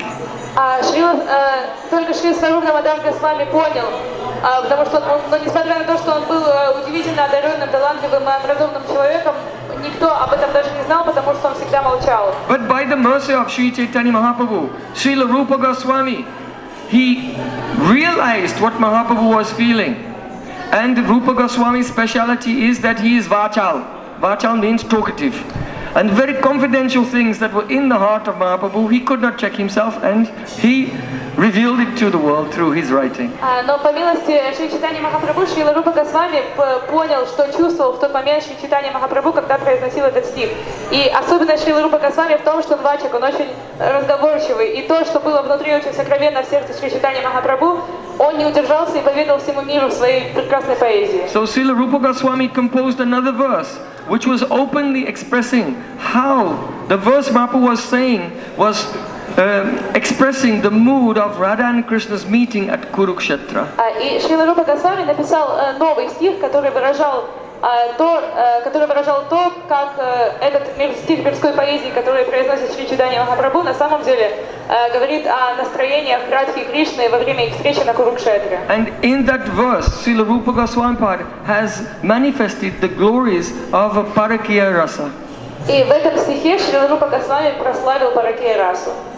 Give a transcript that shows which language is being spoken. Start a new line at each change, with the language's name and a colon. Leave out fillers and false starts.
English: But by the mercy of Sri Chaitanya Mahaprabhu, Srila Rupa Goswami, he realized what Mahaprabhu was feeling. And Rupa Goswami's speciality is that he is Vachal. Vachal means talkative. And very confidential things that were in the heart of Mahaprabhu, he could not check himself, and he revealed it to the world through his writing.
Russian: Но по милости Шри Читания Махапрабху, Шрила Рупа Госвами понял, что чувствовал в тот момент Шри Читания Махапрабху, когда произносил этот стих. И особенно Шрила Рупа Госвами в том, что он вачак, он очень разговорчивый. И то, что было внутри очень сокровенно в сердце Шри Читания Махапрабху, он не удержался и поведал всему миру в своей прекрасной поэзии.
English: So Шрила Рупа Госвами composed another verse, which was openly expressing how the verse Mahaprabhu was saying was expressing the mood of Radha and Krishna's meeting at Kurukshetra.
Russian: И Шрила Рупа Госвами написал новый стих, который выражал то, как этот стих мирской поэзии, который произносит Шри Чайтанья Махапрабху, на самом деле говорит о настроениях Радхи и Кришны во время их встречи на Курукшетре.
English: And in that verse, Srila Rupa Goswami has manifested the glories of a Parakya Rasa.
Russian: И в этом стихе Шрила Рупа Госвами прославил Паракья Расу.